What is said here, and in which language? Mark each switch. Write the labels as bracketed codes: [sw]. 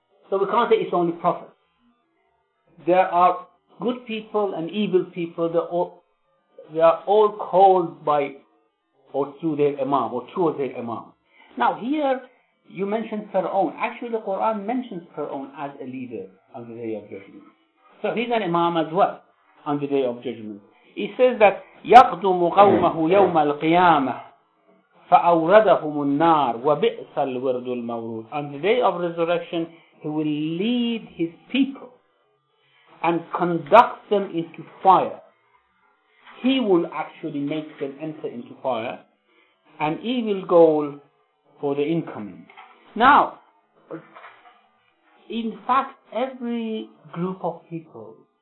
[en] So we can't say it's only prophets. There are good people and evil people, they are all called by or through their imam, or towards their imam. Now here, you mentioned Fir'aun. Actually, the Quran mentions Fir'aun as a leader on the Day of Judgment. So he's an imam as well, on the Day of Judgment. He says that, [ar] يَقْدُمُ قَوْمَهُ يَوْمَ الْقِيَامَةِ فَأَوْرَدَهُمُ النَّارِ وَبِئْسَ الْوِرْدُ الْمَوْرُودِ. [en] On the Day of Resurrection, he will lead his people and conduct them into fire. He will actually make them enter into fire, an evil goal for the incoming. Now, in fact, every group of people